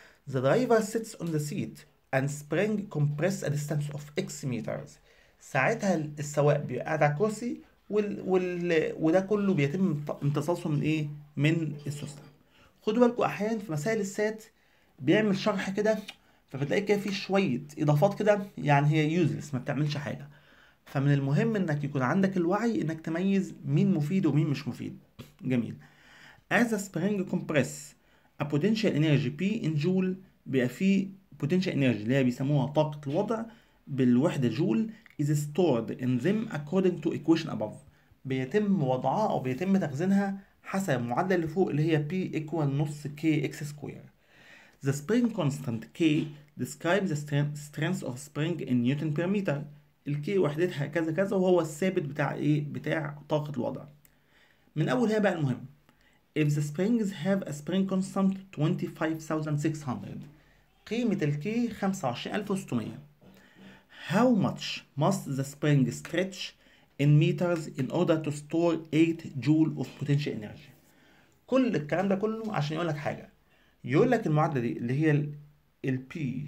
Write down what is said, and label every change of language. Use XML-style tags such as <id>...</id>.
<ar>The driver sits on the seat and spring compress a distance of x meters، ساعتها السواق بيبقى قاعد على الكرسي وده كله بيتم امتصاصه من ايه؟ من السوستة. خدوا بالكوا احيانا في مسائل السات بيعمل شرح كده، فبتلاقي كده في شويه اضافات كده، يعني هي يوزلس ما بتعملش حاجه. فمن المهم انك يكون عندك الوعي انك تميز مين مفيد ومين مش مفيد. جميل. As a spring compress a potential energy P in joule، بيبقى في potential energy اللي هي بيسموها طاقه الوضع بالوحده جول، is stored in them according to equation above، بيتم وضعها او بيتم تخزينها حسب المعادله اللي فوق اللي هي P equal نص K X square.</ar> <en>The spring constant K describes the strength of spring in newton per meter، ال K وحدتها كذا كذا، وهو الثابت بتاع ايه؟ بتاع طاقة الوضع.</en> <ar>من اول هي بقى المهم، if the springs have a spring constant 25600، قيمة ال K 25600، how much must the spring stretch in meters in order to store 8 joule of potential energy؟ كل الكلام ده كله عشان يقول لك حاجة، يقول لك المعادلة دي اللي هي ال P</ar>